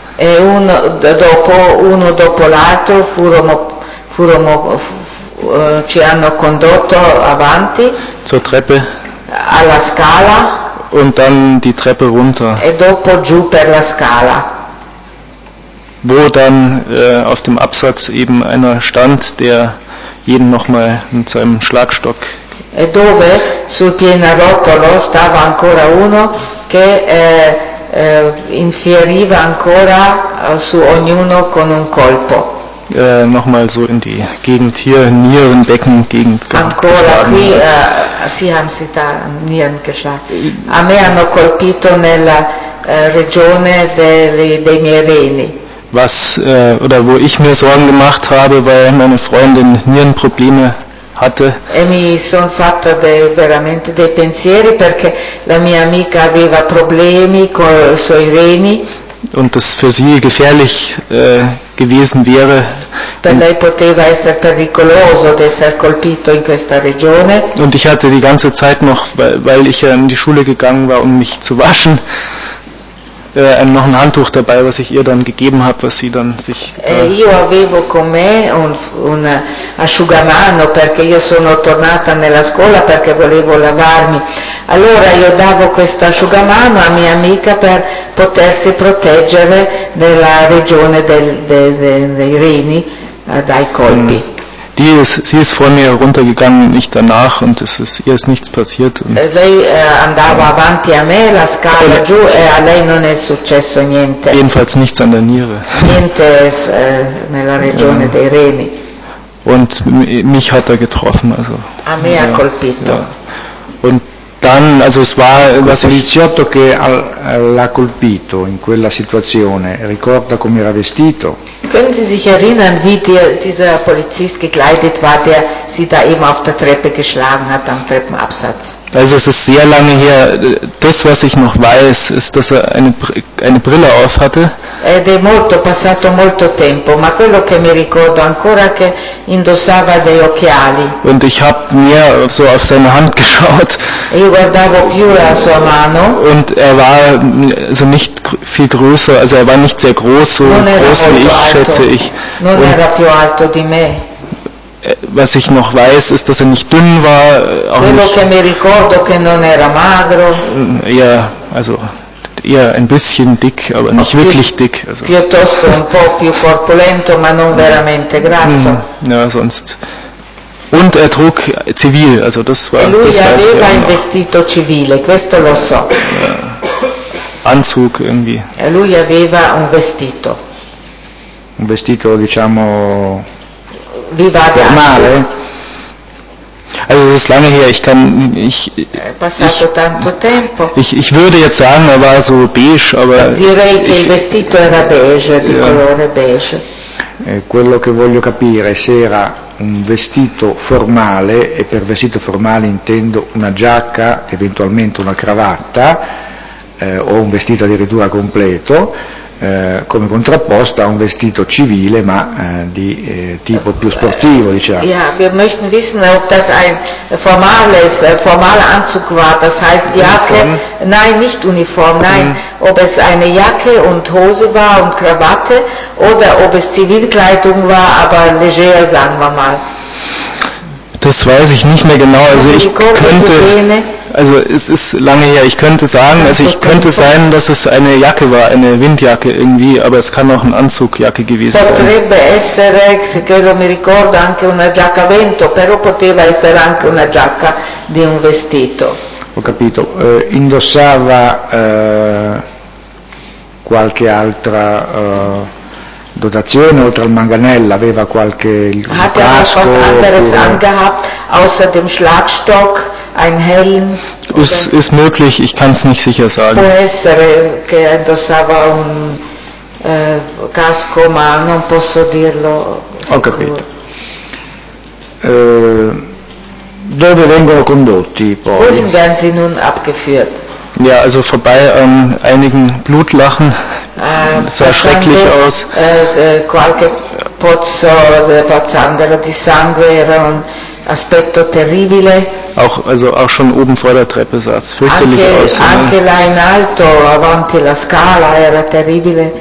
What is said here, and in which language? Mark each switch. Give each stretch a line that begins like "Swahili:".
Italian: E uno dopo l'altro ci hanno condotto avanti
German: zur Treppe,
Italian: alla Scala,
German: und dann die Treppe runter.
Italian: E dopo giù per la Scala.
German: Wo dann auf dem Absatz eben einer stand, der jeden nochmal mit seinem Schlagstock.
Italian: E dove sul pianerottolo stava ancora uno che infieriva ancora su ognuno con un colpo.
German: Nochmal so in die Gegend hier, Nierenbecken Gegend.
Italian: Ancora qui, sì,
German: haben sie da Nieren geschlagen.
Italian: A me hanno colpito nella regione dei miei reni.
German: Was oder wo ich mir Sorgen gemacht habe, weil meine Freundin Nierenprobleme hatte.
Italian: E mi son fatto veramente dei pensieri perché la mia amica aveva problemi con i suoi reni.
German: und das für sie gefährlich gewesen wäre.
Italian: Per lei poteva essere pericoloso di essere colpito in questa regione.
German: Und ich hatte die ganze Zeit noch, weil ich in die Schule gegangen war, um mich zu waschen, noch ein Handtuch dabei, was ich ihr dann gegeben habe, was sie dann sich.
Italian: Io avevo con me un asciugamano perché io sono tornata nella scuola perché volevo lavarmi. Allora io davo questo asciugamano a mia amica per potersi proteggere nella regione dei reni dai colpi.
German: Sie ist vor mir runtergegangen, nicht danach, und ihr ist nichts passiert.
Italian: Lei andava avanti a me, la scala giù, e a lei non è successo niente.
German: Jedenfalls nichts an der Niere.
Italian: Niente nella regione dei reni.
German: Und mich hat er getroffen, also.
Italian: A me ha colpito.
German: Und dann, also es war
Italian: quasi Liziotto che l'ha colpito in quella situazione. Ricorda come era vestito?
German: Können Sie sich erinnern, wie dieser Polizist gekleidet war, der sie da eben auf der Treppe geschlagen hat am Treppenabsatz? Also es ist sehr lange her. Das, was ich noch weiß, ist, dass er eine Brille auf hatte.
Italian: Ed è molto passato molto tempo, ma quello che mi ricordo ancora che indossava dei occhiali.
German: Und ich habe mehr so auf seine Hand geschaut.
Italian: Io guardavo più la sua mano.
German: Und er war so nicht viel größer, also er war nicht sehr groß, so groß wie ich, schätze ich.
Italian: Non era più alto di me.
German: Was ich noch weiß, ist, dass er nicht dünn war.
Italian: Quello che mi ricordo che non era magro.
German: Ja, also eher ein bisschen dick, aber nicht wirklich dick. Also.
Italian: Piuttosto un po' più corpulento, ma non veramente grasso.
German: Ja, sonst. Und er trug zivil, also das war
Italian: lui
German: das weiß
Italian: aveva un vestito civile, questo lo so.
German: Anzug irgendwie.
Italian: E lui aveva un vestito. Un vestito, diciamo, vivace. Normale.
German: Also es ist lange her, ich würde jetzt sagen, er war so beige, aber
Italian: direi che il vestito era beige, di colore beige. Quello che voglio capire se era un vestito formale, e per vestito formale intendo una giacca, eventualmente una cravatta, o un vestito addirittura completo, come contrapposta a un vestito civile, ma di tipo più sportivo, diciamo.
German: Ja, wir möchten wissen, ob das ein formaler Anzug war, das heißt Jacke, nein, nicht Uniform, nein, ob es eine Jacke und Hose war und Krawatte, oder ob es Zivilkleidung war, aber leger, sagen wir mal. Das weiß ich nicht mehr genau, also ich könnte... Also es ist lange her, ich könnte sagen, also ich könnte sein, dass es eine Jacke war, eine Windjacke irgendwie, aber es kann auch eine Anzugjacke gewesen sein.
Italian: Potrebbe essere, se credo mi ricordo, anche una giacca vento, però poteva essere anche una giacca di un vestito. Ho capito, indossava qualche altra dotazione oltre al manganello, aveva qualche casco?
German: Hat er was anderes angehabt, außer dem Schlagstock? Ein Helm. Ist möglich, ich kann es nicht sicher sagen.
Italian: Può essere che indossava un casco, ma non posso dirlo. Ho capito. Dove vengono condotti poi?
German: Wohin werden sie nun abgeführt? Ja, also vorbei an einigen Blutlachen. Sah schrecklich aus.
Italian: Qualche pozzo, pozzanghera di sangue, era un aspetto terribile.
German: Auch, also auch schon oben vor der Treppe sah es fürchterlich aus.
Italian: Anche là in alto, avanti la scala, era terribile.